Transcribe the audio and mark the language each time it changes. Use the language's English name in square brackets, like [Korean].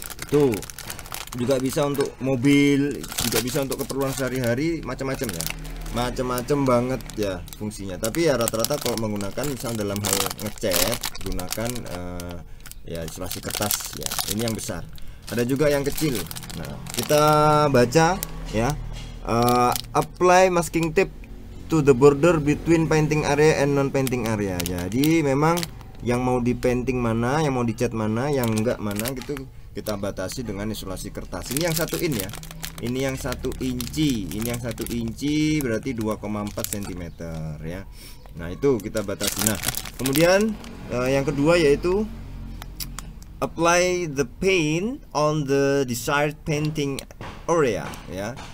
[Indonesian] Itu juga bisa untuk mobil, juga bisa untuk keperluan sehari-hari, macam-macam ya, macam-macam banget ya fungsinya. Tapi ya rata-rata kalau menggunakan misalnya dalam hal ngecat, gunakan ya isolasi kertas ya. Ini yang besar, ada juga yang kecil. Nah, kita baca ya. [English] Apply masking tape to the border between painting area and non-painting area. [Indonesian] Jadi memang yang mau dipainting mana, yang mau dicat mana, yang enggak mana, gitu kita batasi dengan isolasi kertas. Ini yang 1 in ya. Ini yang 1 inci. Ini yang 1 inci berarti 2,4 cm ya. Nah, itu kita batasi. Nah, kemudian yang kedua yaitu [English] apply the paint on the desired painting area [Indonesian] ya.